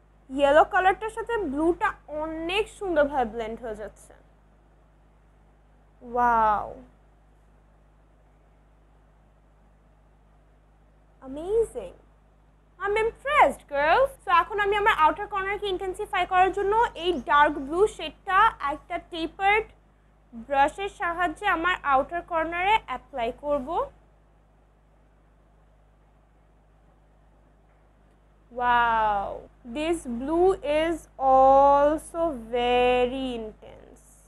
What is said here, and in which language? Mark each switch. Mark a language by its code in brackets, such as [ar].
[bn] Yellow কালারটার সাথে ব্লুটা অনেক সুন্দরভাবে ব্লেন্ড হয়ে যাচ্ছে। [en] Wow, amazing, I'm impressed, girls. [bn] So এখন আমি আমার আউটার কর্নারকে ইন্টেন্সিফাই করার জন্য এই ডার্ক ব্লু শেডটা একটা টেপার্ড ব্রাশের সাহায্যে আমার আউটার কর্নারে অ্যাপ্লাই করব। [en] Wow, this blue is also very intense.